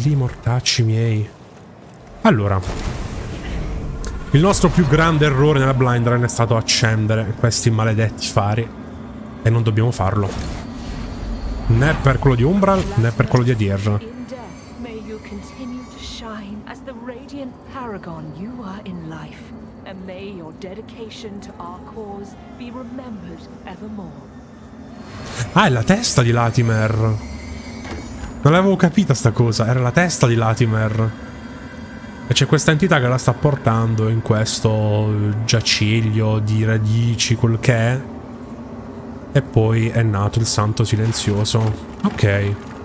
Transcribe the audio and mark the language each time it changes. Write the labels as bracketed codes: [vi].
[it] Lì, mortacci miei. Allora. Il nostro più grande errore nella blind run è stato accendere questi maledetti fari. E non dobbiamo farlo. Né per quello di Umbral, né per quello di Adir. [en] Paragon, you are in life, and may your dedication to our cause be remembered evermore. [it] Ah, è la testa di Latimer. Non l'avevo capita sta cosa, era la testa di Latimer. E c'è questa entità che la sta portando in questo giaciglio di radici, quel che è. E poi è nato il Santo Silenzioso. Ok.